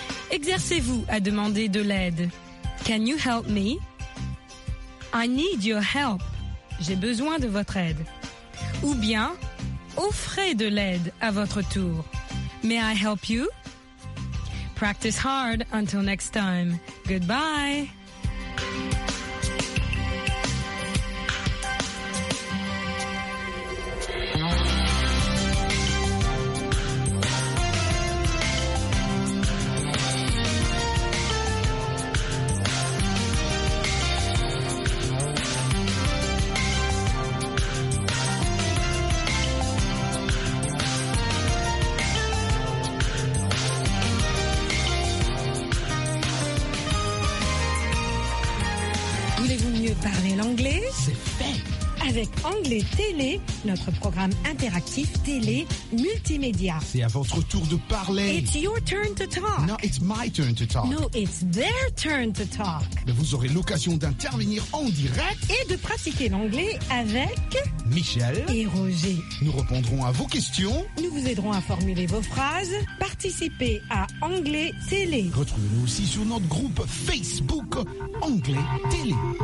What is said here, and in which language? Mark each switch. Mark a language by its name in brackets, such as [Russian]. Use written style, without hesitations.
[French] Exercez-vous à demander de l'aide. [English] Can you help me? I need your help. [French] J'ai besoin de votre aide. Ou bien, offrez de l'aide à votre tour. [English] May I help you? Practice hard until next time. Goodbye. [French] parler l'anglais? C'est fait! Avec Anglais Télé, notre programme interactif télé multimédia. C'est à votre tour de parler. [English] It's your turn to talk. No, it's my turn to talk. No, it's their turn to talk. [French] Mais vous aurez l'occasion d'intervenir en direct. Et de pratiquer l'anglais avec... Michel. Et Roger. Nous répondrons à vos questions. Nous vous aiderons à formuler vos phrases. Participez à Anglais Télé. Retrouvez-nous aussi sur notre groupe Facebook Anglais Télé.